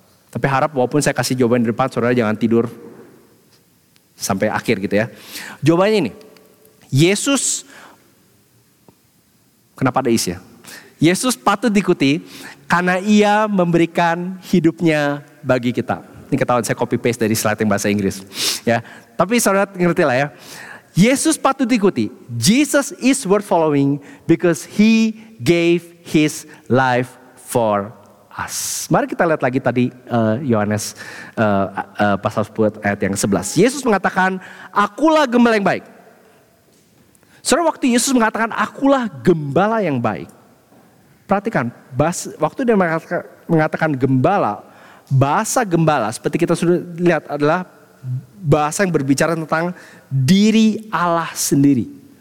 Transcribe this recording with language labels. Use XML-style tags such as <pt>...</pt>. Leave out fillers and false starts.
<id>Tapi harap walaupun saya kasih jawabannya di depan, saudara jangan tidur sampai akhir gitu ya. Jawabannya ini, Yesus, kenapa ada is ya? Yesus patut diikuti karena ia memberikan hidupnya bagi kita. Ini ketahuan saya copy paste dari slide yang bahasa Inggris. Ya, tapi saudara ngerti lah ya. Yesus patut diikuti.</id> <en>Jesus is worth following because he gave his life for us.</en> <id>Mari kita lihat lagi tadi Yohanes pasal 10 ayat yang 11. Yesus mengatakan, akulah gembala yang baik. Saudara, waktu Yesus mengatakan, akulah gembala yang baik. Perhatikan, waktu dia mengatakan gembala, bahasa gembala seperti kita sudah lihat adalah bahasa yang berbicara tentang diri Allah sendiri.</id>